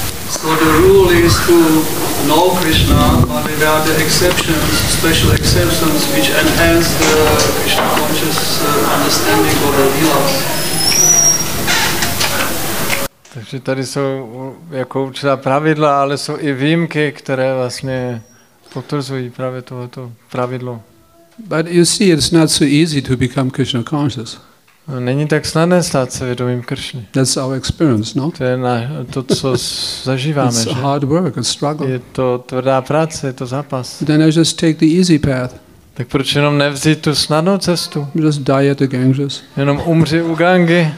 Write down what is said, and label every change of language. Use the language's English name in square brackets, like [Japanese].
[English] So the rule is to know Krishna, but there are the exceptions, special exceptions, which enhance the Krishna conscious understanding or the vilas. [Czech] Takže tady jsou jako určitá pravidla, ale jsou i výjimky, které vlastně potvrzují právě tohoto pravidlo. [English] But you see, it's not so easy to become Krishna conscious. [Czech] Není tak snadné stát se vědomým Kršny. [English] That's our experience, no? [Czech] To je to, co zažíváme. [English] It's hard work, a struggle. [Czech] Je to tvrdá práce, je to zápas. [English] Then I just take the easy path. [Czech] Tak proč jenom nevzít tu snadnou cestu? [English] Just die at the Ganges. [Czech] Jenom umři u Gangy.